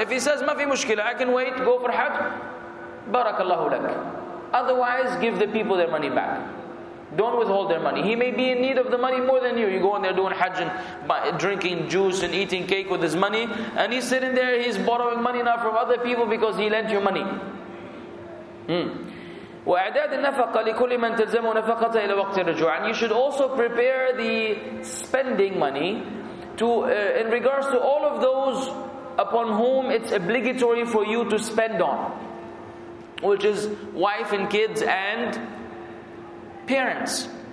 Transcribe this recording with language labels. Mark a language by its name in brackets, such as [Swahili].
[English] If he says, ma fi mushkila, I can wait, go for Hajj, Barakallahu lak. Otherwise, give the people their money back. Don't withhold their money. He may be in need of the money more than you. You go in there doing Hajj and drinking juice and eating cake with his money, and he's sitting there, he's borrowing money now from other people because he lent you money. [Arabic] وإعداد النفقة لكل من تلزمه نفقة إلى وقت الرجوع. [English] And you should also prepare the spending money to in regards to all of those upon whom it's obligatory for you to spend on, which is wife and kids and parents.